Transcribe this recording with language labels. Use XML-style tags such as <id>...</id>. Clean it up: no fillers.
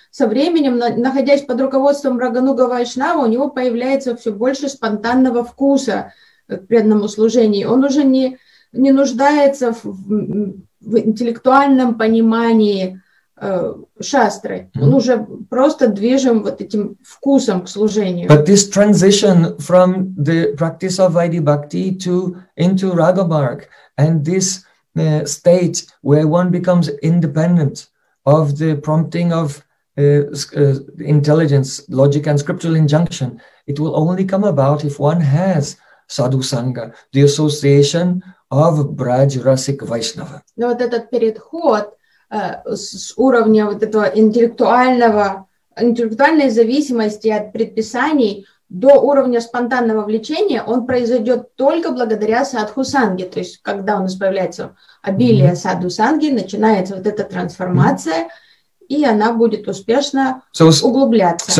<ru>Со временем, находясь под руководством Рагануга Вайшнава, у него появляется все больше спонтанного вкуса к преданному служению. Он уже не нуждается в интеллектуальном понимании шастры. Он уже просто движим вот этим вкусом к служению.</ru> <en>But this transition from the practice of Vaidhi Bhakti to into Ragamarg and this state where one becomes independent of the prompting of intelligence, logic and scriptural injunction, it will only come about if one has sadhu sangha, the association of braj rasik vaishnava.</en> <ru>Но вот этот переход с уровня вот этого интеллектуальной зависимости от предписаний до уровня спонтанного влечения, он произойдет только благодаря садху санге, то есть когда он избавляется обилия садху санги, начинается вот эта трансформация, и она будет успешно углубляться.</ru>